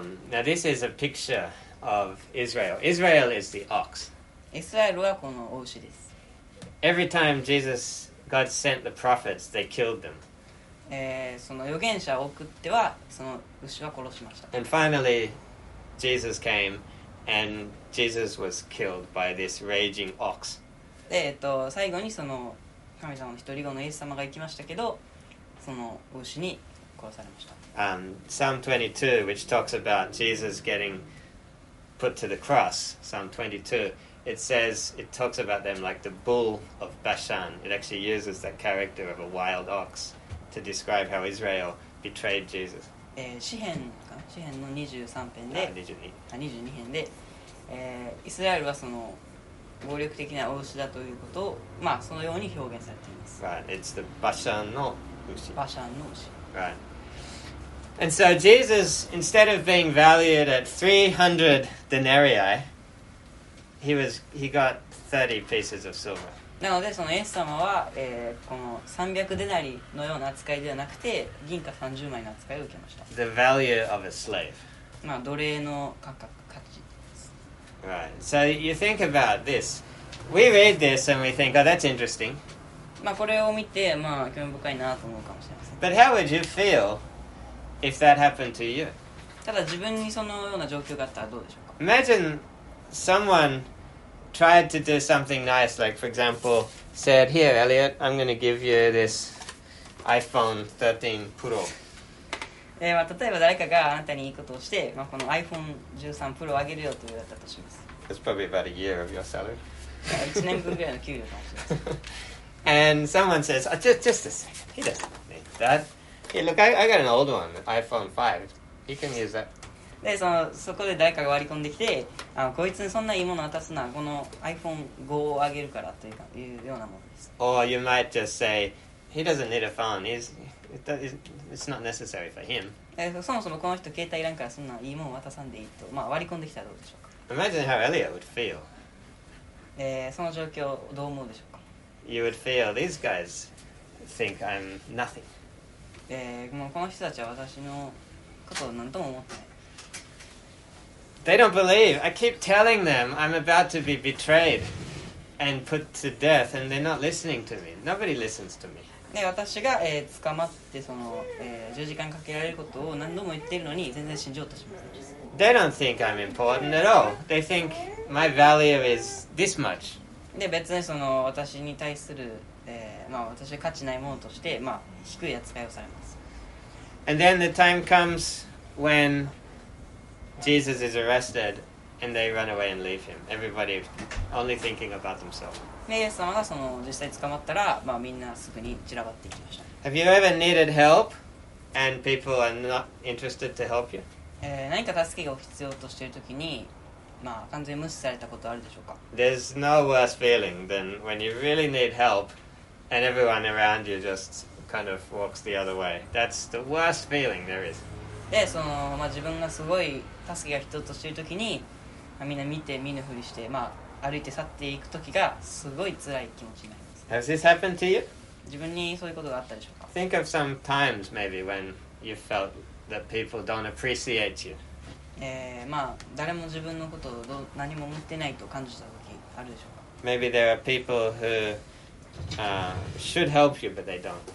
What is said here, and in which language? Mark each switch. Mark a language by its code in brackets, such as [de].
[en] Now this is a picture of Israel. Israel is the ox. [ja] イスラエルはこの牛です。 [en] Every time JesusGod sent the prophets, they killed them. [ja] その預言者を送ってはその牛は殺しました。 [en] And finally, Jesus came, and Jesus was killed by this raging ox. [ja] で、最後にその神様の一人子のイエス様が行きましたけど、その牛に殺されました。 [en] Psalm 22, which talks about Jesus getting put to the cross, Psalm 22, it says, it talks about them like the bull of Bashan. It actually uses that character of a wild ox to describe how Israel betrayed Jesus. [ja] 詩編の23編で、 22 編で、イスラエルはその暴力的な牛だということを、まあ、そのように表現されています。 [en] Right, it's the Bashan [ja] の牛。 Bashan の牛。 [en] Right. And so Jesus, instead of being valued at 300 denarii, he got 30 pieces of silver. [ja] なので、そのイエス様は、この300デナリのような扱いではなくて、銀貨30枚の扱いを受けました。 [en] The value of a slave. [ja] まあ、奴隷の価格、価値です。 [en] Right. So you think about this. We read this and we think, oh, that's interesting. [ja] まあ、これを見て、まあ、興味深いなと思うかもしれません。 [en] But how would you feel if that happened to you? [ja] ただ自分にそのような状況があったらどうでしょうか? [en] Imagine someone tried to do something nice, like for example, said, here Elliot, I'm going to give you this iPhone 13 Pro. [ja] まあ、例えば誰かがあなたにいいことをして、まあ、この iPhone 13 Pro をあげるよと言われたとします。 [en] That's probably about a year of your salary. [ja] 1年分ぐらいの給料かもしれません。 [en] And someone says, oh, just a second, Peter. That? Hey, look, I got an old one, iPhone 5. You can use that. [ja] で、その、そこで誰かが割り込んできて、あの、こいつにそんないいものを渡すな、この iPhone 5をあげるからというか、いうようなものです。 [en] Or you might just say, he doesn't need a phone. It's not necessary for him. [ja] そもそもこの人携帯いらんからそんないいものを渡さんでいいと、まあ、割り込んできたらどうでしょうか。 [en] Imagine how Elliot would feel. [ja] その状況どう思うでしょうか。 [en] You would feel these guys... think I'm nothing. [ja] もうこの人たちは私のことを何とも思ってない。 [en] They don't believe. I keep telling them I'm about to be betrayed and put to death, and they're not listening to me. Nobody listens to me. [ja] で、私が、捕まってその、十字架にかけられることを何度も言っているのに全然信じようとしません。 [en] They don't think I'm important at all. They think my value is this much. [ja] で、別にその私に対するまあ、私は価値ないものとして、まあ、低い扱いをされます。 [en] And then the time comes when Jesus is arrested and they run away and leave him. Everybody only thinking about themselves. [ja] イエス様がその実際捕まったら、まあ、みんなすぐに散らばっていきました。 [en] Have you ever needed help and people are not interested to help you? [ja] 何か助けを必要としているときに、まあ、完全に無視されたことあるでしょうか? [en] There's no worse feeling than when you really need help. And everyone around you just kind of walks the other way. That's the worst feeling there is. [ja] で、その、まあ、自分がすごい助けが必要としているときに、まあ、みんな見て見ぬふりして、まあ、歩いて去っていくときがすごい辛い気持ちになります。 [en] Has this happened to you? [ja] 自分にそういうことがあったでしょうか? [en] Think of some times maybe when you felt that people don't appreciate you. [ja] まあ、誰も自分のことをどう、何も思ってないと感じたときあるでしょうか? [en] Maybe there are people whoshould help you, but they don't.